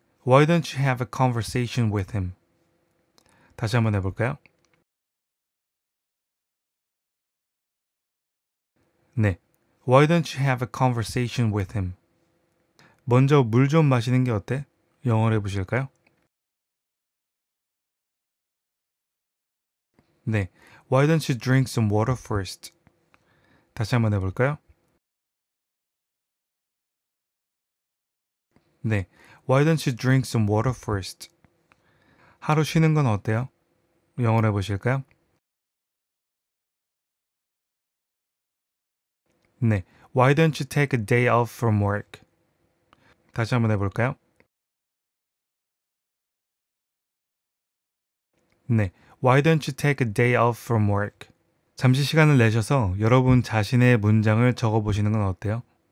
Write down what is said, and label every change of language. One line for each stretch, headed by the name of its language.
English: Why don't you have a conversation with him?
Korean: 다시 한번 해볼까요? 네.
English: Why don't you have a conversation with him?
Korean: 먼저 물 좀 마시는 게 어때? 영어로 해보실까요?
English: 네. Why don't you drink some water first?
Korean: 다시 한번 해볼까요?
English: 네. Why don't you drink some water first?
Korean: 하루 쉬는 건 어때요? 영어로 해보실까요? 네.
English: Why don't you take a day off from work?
Korean: 다시 한번 해볼까요? 네.
English: Why don't you take a day off from work?
Korean: 잠시 시간을 내셔서 여러분 자신의 문장을 적어보시는 건 어때요?